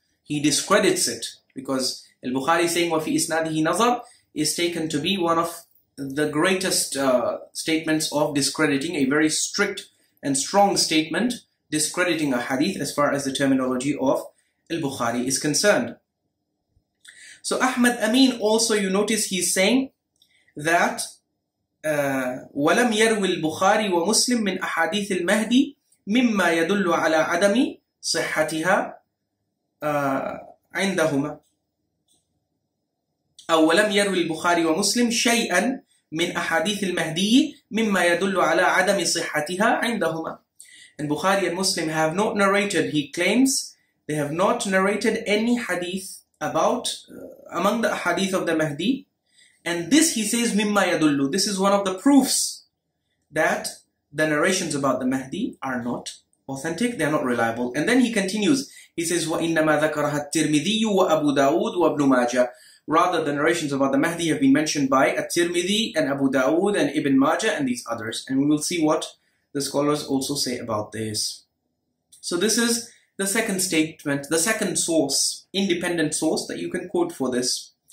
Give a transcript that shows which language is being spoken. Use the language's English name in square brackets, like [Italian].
[English] He discredits it, because al-Bukhari saying [Arabic] وَفِي إِسْنَادِهِ نَظَرٍ [English] is taken to be one of the greatest statements of discrediting, a very strict and strong statement discrediting a hadith as far as the terminology of al-Bukhari is concerned. So Ahmad Amin also, you notice he's saying that [Arabic] وَلَمْ يَرْوِ الْبُخَارِ وَمُسْلِمْ مِنْ أَحَادِيثِ الْمَهْدِي مِمَّا يَدُلُّ عَلَىٰ عَدَمِ صِحَّتِهَا عِنْدَهُمَا أَوْ وَلَمْ يَرْوِ الْبُخَارِ وَمُسْلِمْ شَيْئًا مِنْ أَحَادِيثِ الْمَهْدِيِّ مِمَّا يَدُلُّ عَلَىٰ عَدَمِ صِحَّتِهَا عِنْدَهُمَا. [English] And Bukhari and Muslim have not narrated, he claims, they have not narrated any hadith about, among the hadith of the Mahdi. And this, he says, [Arabic] مِمَّا يَدُلُّ. [English] This is one of the proofs that the narrations about the Mahdi are not authentic, they are not reliable. And then he continues, he says, [Arabic] وَإِنَّمَا ذَكَرَهَا التِّرْمِذِيُّ وَأَبُو دَاوُدُ وَابْنُ مَاجَةِ. [English] Rather, the narrations about the Mahdi have been mentioned by At-Tirmidhi and Abu Dawood and Ibn Majah and these others. And we will see what the scholars also say about this. So this is the second statement, the second source, independent source that you can quote for this.